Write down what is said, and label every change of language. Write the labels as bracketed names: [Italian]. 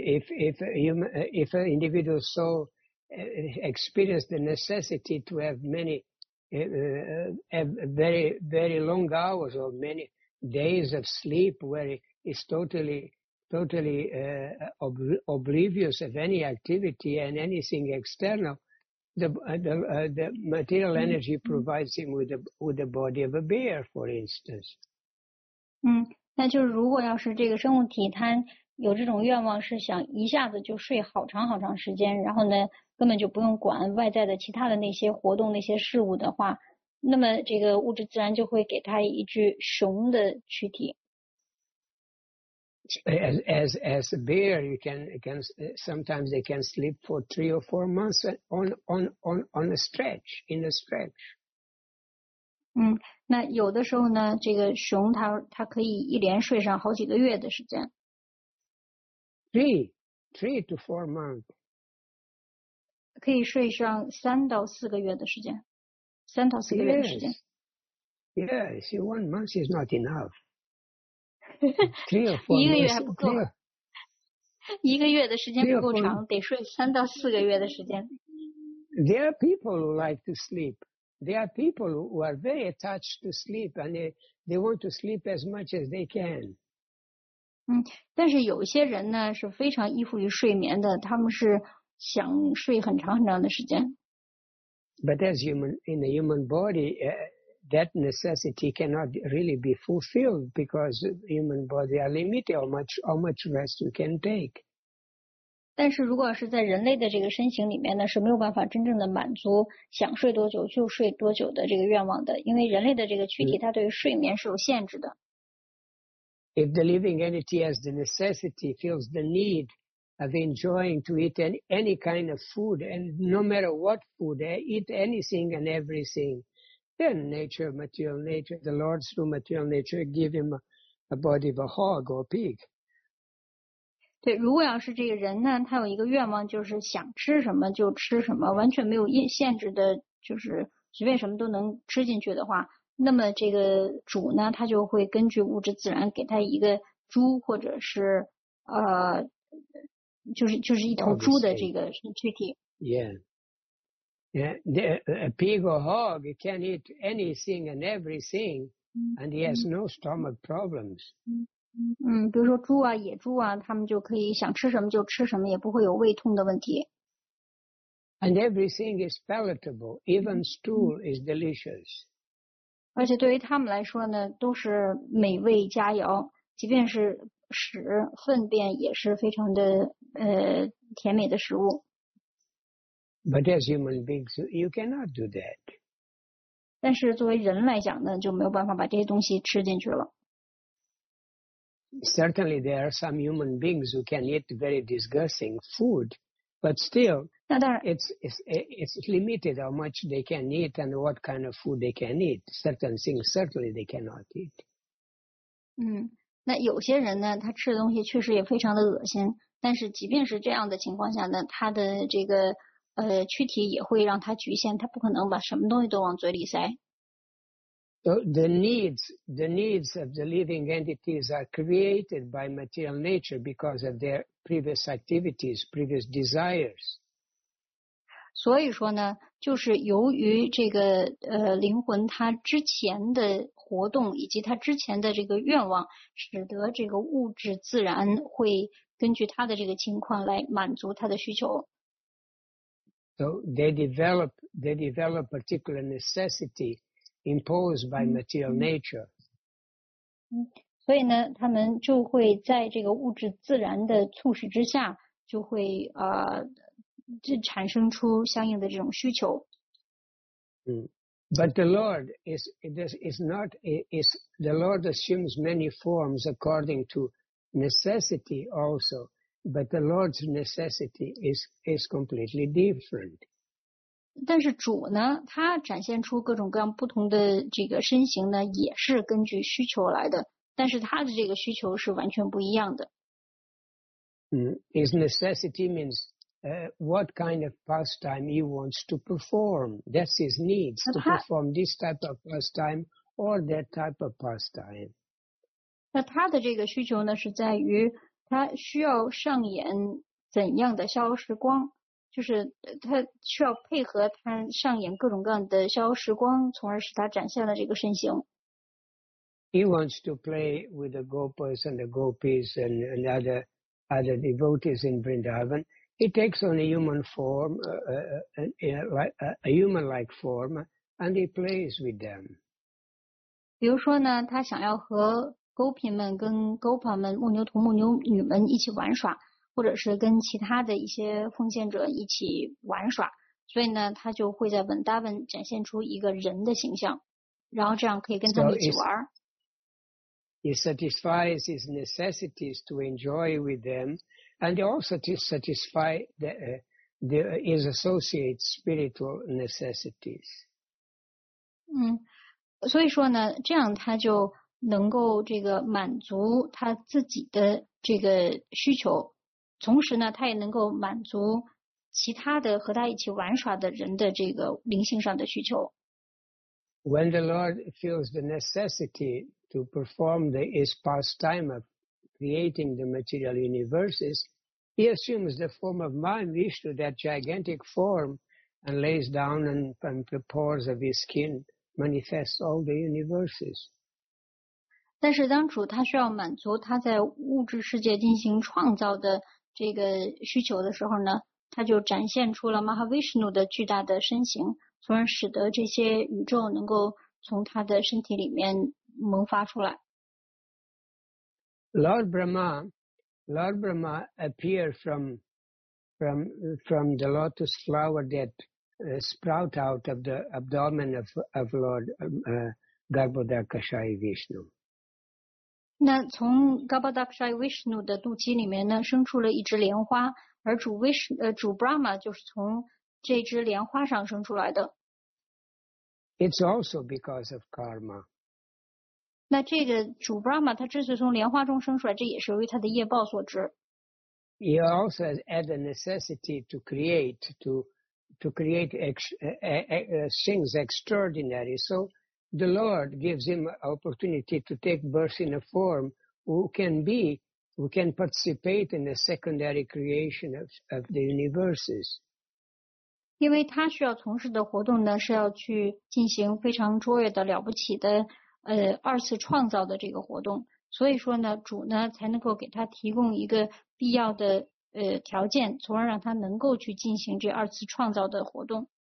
[English] If an individual soul experienced the necessity to have many, very, very long hours or many days of sleep where it's totally oblivious of any activity and anything external, the material energy provides him with the body of a bear, for instance. [Chinese] 那就是如果要是这个生物体它有这种愿望是想一下子就睡好长好长时间，然后呢根本就不用管外在的其他的那些活动那些事物的话，那么这个物质自然就会给他一具熊的躯体。 [English] As a bear, you can sometimes they can sleep for 3 or 4 months on a stretch in a stretch. [Chinese] 那有的时候呢，这个熊它可以一连睡上好几个月的时间。 [English] Three to 4 months. [Chinese] 可以睡上三到四个月的时间，三到四个月的时间。 [English] Yes, yes. One month is not enough. Three or four [Chinese] 一个月还不够。一个月的时间不够长，得睡三到四个月的时间。 [English] There are people who like to sleep. There are people who are very attached to sleep, and they want to sleep as much as they can. [Chinese] 但是有些人呢是非常依附于睡眠的，他们是想睡很长很长的时间。 [English] But as human in the human body, that necessity cannot really be fulfilled because human body are limited how much rest you can take. [Chinese] 但是如果是在人类的这个身形里面呢，是没有办法真正的满足想睡多久就睡多久的这个愿望的，因为人类的这个躯体它对于睡眠是有限制的。 [English] If the living entity has the necessity, feels the need of enjoying to eat any kind of food, and no matter what food, eat anything and everything, then nature, material nature, the Lord through material nature, give him a body of a hog or pig. [Chinese] 对，如果要是这个人呢，他有一个愿望，就是想吃什么就吃什么，完全没有限制的，就是随便什么都能吃进去的话，那么这个主呢，他就会根据物质自然给他一个猪，或者是就是一头猪的这个躯体。 [English] Yeah, a pig or hog can eat anything and everything, and he has no stomach problems. [Chinese] 比如说猪啊野猪啊他们就可以想吃什么就吃什么也不会有胃痛的问题。 [English] And everything is palatable, even stool is delicious. [Chinese] 而且对于他们来说呢都是美味佳肴即便是屎粪便也是非常的甜美的食物。 [English] But as human beings, you cannot do that. [Chinese] 但是作为人来讲呢就没有办法把这些东西吃进去了。 [English] Certainly, there are some human beings who can eat very disgusting food, but still, it's limited how much they can eat and what kind of food they can eat. Certain things, certainly, they cannot eat. [Chinese] 那有些人呢，他吃的东西确实也非常的恶心。但是，即便是这样的情况下呢，他的这个躯体也会让他局限，他不可能把什么东西都往嘴里塞。 [English] So the needs of the living entities are created by material nature because of their previous activities, previous desires. [Chinese] 所以说呢，就是由于这个灵魂它之前的活动以及它之前的这个愿望，使得这个物质自然会根据它的这个情况来满足它的需求。 [English] So they develop particular necessity. Imposed by material nature. [Chinese] 所以呢，他们就会在这个物质自然的促使之下，就会就产生出相应的这种需求。 [English] But the Lord is the Lord assumes many forms according to necessity also, but the Lord's necessity is completely different. [Chinese] 但是主呢他展现出各种各样不同的这个身形呢也是根据需求来的但是他的这个需求是完全不一样的。 [English] His necessity means, what kind of pastime he wants to perform. That's his needs, to perform this type of pastime or that type of pastime. [Chinese] 那他的这个需求呢是在于他需要上演怎样的逍遥时光。就是他需要配合他上演各种各样的逍遥时光，从而使他展现了这个身形。 [English] He wants to play with the gopas and the gopis and other devotees in Vrindavan. He takes on a human form, a human-like form, and he plays with them. [Chinese] 比如说呢，他想要和 gopi 们、跟 gopa 们、牧牛童、牧牛女们一起玩耍。或者是跟其他的一些奉献者一起玩耍，所以呢，他就会在文达文展现出一个人的形象，然后这样可以跟他们一起玩。 [English] He satisfies his necessities to enjoy with them, and also to satisfy his associate's spiritual necessities. [Chinese] 所以说呢，这样他就能够这个满足他自己的这个需求。同时呢，他也能够满足其他的和他一起玩耍的人的这个灵性上的需求。 [English] When the Lord feels the necessity to perform the His pastime of creating the material universes, He assumes the form of Mahavishnu, that gigantic form, and lays down and the pores of His skin manifests all the universes. [Chinese] 但是当主他需要满足他在物质世界进行创造的这个需求的时候呢，他就展现出了 Mahavishnu 的巨大的身形。从而使得这些宇宙能够从他的身体里面萌发出来。 [English] Lord Brahma appeared from the lotus flower that sprout out of the abdomen of Lord Garbhodakshaya Vishnu. [Chinese] 那从 Garbhodakshaya Vishnu 的肚脐里面呢，生出了一只莲花，而主 Brahma 就是从这只莲花上生出来的。 [English] It's also because of karma. [Chinese] 那这个主 Brahma 他之所以从莲花中生出来，这也是由于他的业报所致。 [English] He also had the necessity to create things extraordinary. So the Lord gives him opportunity to take birth in a form who can participate in the secondary creation of the universes. [Chinese] 因为他需要从事的活动呢，是要去进行非常卓越的、了不起的，二次创造的这个活动。所以说呢，主呢才能够给他提供一个必要的条件，从而让他能够去进行这二次创造的活动。